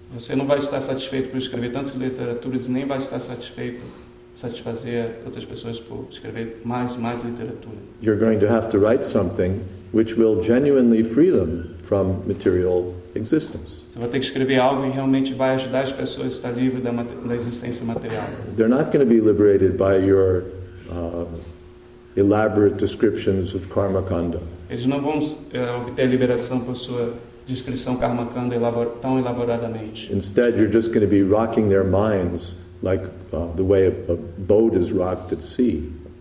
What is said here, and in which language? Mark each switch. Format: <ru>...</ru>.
<pt>Você não vai estar satisfeito por escrever tantas literaturas, nem vai estar satisfazer outras pessoas por escrever mais literatura.</pt> <en>You're going to have to write something which will genuinely free them from material existence.</en> <pt>Você vai ter que escrever algo que realmente vai ajudar as pessoas a estar livre da existência material.</pt> <en>They're not going to be liberated by your elaborate descriptions of karmakanda.</en> <pt>Eles não vão obter liberação por sua descrição karmakanda tão elaboradamente.</pt> <en>Instead, you're just going to be rocking their minds like the way a boat is rocked at sea.</en>